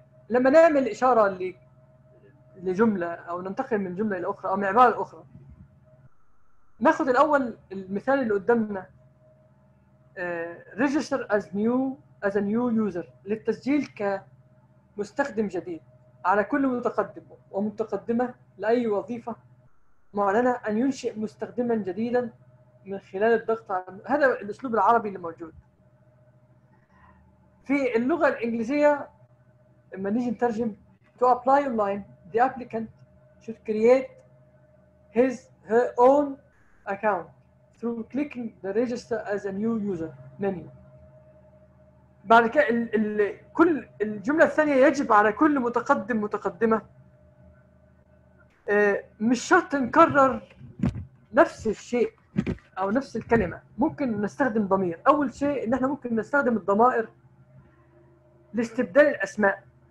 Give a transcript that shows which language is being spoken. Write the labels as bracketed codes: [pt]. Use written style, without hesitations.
[ar] لما نعمل اشارة لجملة او ننتقل من جملة الى اخرى او من عبارة اخرى، ناخد الاول المثال اللي قدامنا، [en] register as a new user، [ar] للتسجيل كمستخدم جديد على كل متقدم ومتقدمة لأي وظيفة معلنة، أن ينشئ مستخدما جديدا من خلال الضغط على هذا. الأسلوب العربي اللي موجود في اللغة الإنجليزية لما نيجي نترجم، [en] to apply online the applicant should create his her own account through clicking the register as a new user menu. [ar] بعد كده كل الجملة الثانية، يجب على كل متقدم متقدمة، مش شرط نكرر نفس الشيء او نفس الكلمة، ممكن نستخدم ضمير. اول شيء ان احنا ممكن نستخدم الضمائر لاستبدال الاسماء.